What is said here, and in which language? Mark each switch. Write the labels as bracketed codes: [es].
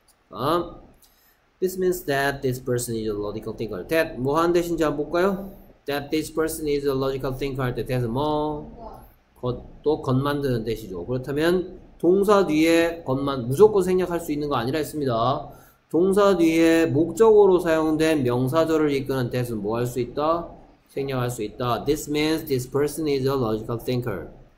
[ko] 됐습니까? [en] This means that this person is a logical thinker. [ko] That, 뭐 하는 대신지 한번 볼까요? [en] That this person is a logical thinker [ko] 할 때, that은 뭐? 또 겉 만드는 대시죠. 그렇다면, 동사 뒤에 겉만, 무조건 생략할 수 있는 거 아니라 했습니다. 동사 뒤에 목적으로 사용된 명사절을 이끄는 that은 뭐할수 있다? 생략할 수 있다. [en] This means this person is a logical thinker.